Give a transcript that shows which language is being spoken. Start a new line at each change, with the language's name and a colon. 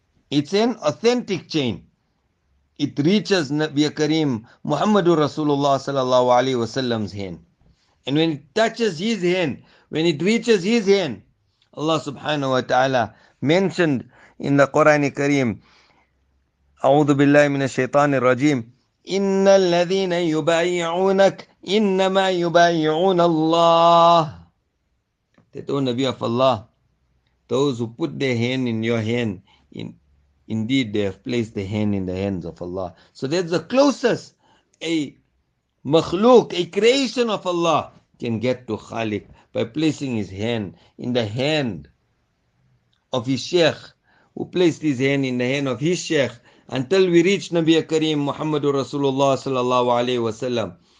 English: It's an authentic chain. It reaches Nabi Kareem Muhammadur Rasulullah sallallahu alaihi wasallam's hand. And when it touches his hand, when it reaches his hand, Allah subhanahu wa ta'ala mentioned in the Quran Kareem,
Arabic: A'udhu billahi minash shaitanir rajim, إن الذين يبايعونك إنما يبايعون الله.
English: They don't obey of Allah. Those who put their hand in your hand, indeed they have placed their hand in the hands of Allah. So that's the closest a makhluk, a creation of Allah, can get to Khalik by placing his hand in the hand of his Sheikh, who placed his hand in the hand of his Sheikh, until we reach Nabi Kareem Muhammadur Rasulullah sallallahu alayhi wa sallam.